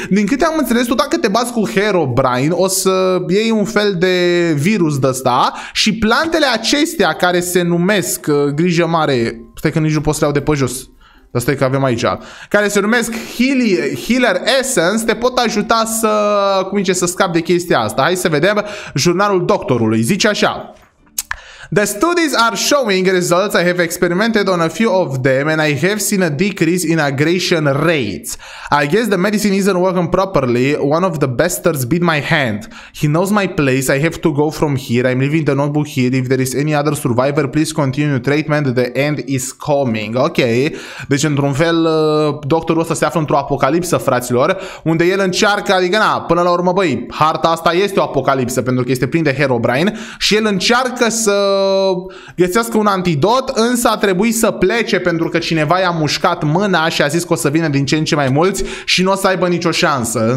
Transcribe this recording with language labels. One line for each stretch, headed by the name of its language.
Romanian: Din câte am înțeles, tu dacă te bați cu Herobrine, o să iei un fel de virus de ăsta. Și plantele acestea care se numesc, grijă mare, stai că nici nu pot să le iau de pe jos. Dar stai că avem aici, care se numesc Healer Essence, te pot ajuta să, cum zice, să scap de chestia asta. Hai să vedem jurnalul doctorului. Zice așa:
English: The studies are showing results. I have experimented on a few of them and I have seen a decrease in aggression rates. I guess the medicine isn't working properly. One of the bastards bit my hand. He knows my place. I have to go from here. I'm leaving the notebook here. If there is any other survivor, please continue treatment. The end is coming. Ok.
Romanian: Deci, într-un fel, doctorul ăsta se află într-o apocalipsă, fraților, unde el încearcă, adică, na, până la urmă, băi, harta asta este o apocalipsă, pentru că este plin de Herobrine, și el încearcă să găsească un antidot, însă a trebuit să plece pentru că cineva i-a mușcat mâna și a zis că o să vină din ce în ce mai mulți și nu o să aibă nicio șansă.